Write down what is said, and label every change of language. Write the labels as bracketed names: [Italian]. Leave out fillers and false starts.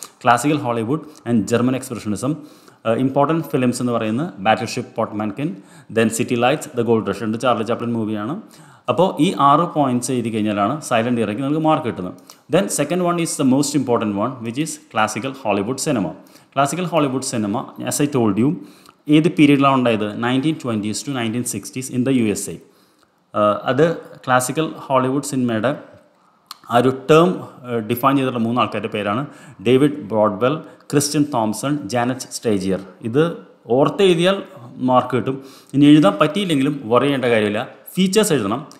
[Malayalam] Classical Hollywood and German expressionism. Important films എന്ന് പറയുന്നത് ബാറ്റിൽ ship, പോട്ട്മാൻകിൻ, then city lights, the gold rush. 2 Charlie Chaplin മൂവിയാണ്. അപ്പോൾ ഈ 6 points എഴുതി കഴിഞ്ഞാലാണ് സൈലൻറ്റ് ഇയറിലേക്ക് നിങ്ങൾക്ക് മാർക്ക് കിട്ടുന്നത്. [English] Then second one is the most important one, which is classical Hollywood cinema. [Malayalam] Classical Hollywood cinema, [English] as I told you, [Malayalam] ഏത് പീരീഡിലാണ് ഉണ്ടായത്? [English] 1920s to 1960s in the USA. [Malayalam] അത് ക്ലാസിക്കൽ ഹോളിവുഡ് സിനിമയുടെ ആ ഒരു ടേം ഡിഫൈൻ ചെയ്തിട്ടുള്ള 3 ആൾക്കാരുടെ പേരാണ് ഡേവിഡ് ബ്രോഡ്വെൽ, ക്രിസ്റ്റ്യൻ തോംസൺ, ജാനറ്റ് സ്റ്റേജിയർ. ഇത് ഓർത്ത് എഴുതിയാൽ മാർക്ക് കിട്ടും. ഇനി എഴുതാൻ പറ്റിയില്ലെങ്കിലും വറിയേണ്ട കാര്യമില്ല. ഫീച്ചേഴ്സ് എഴുതണം.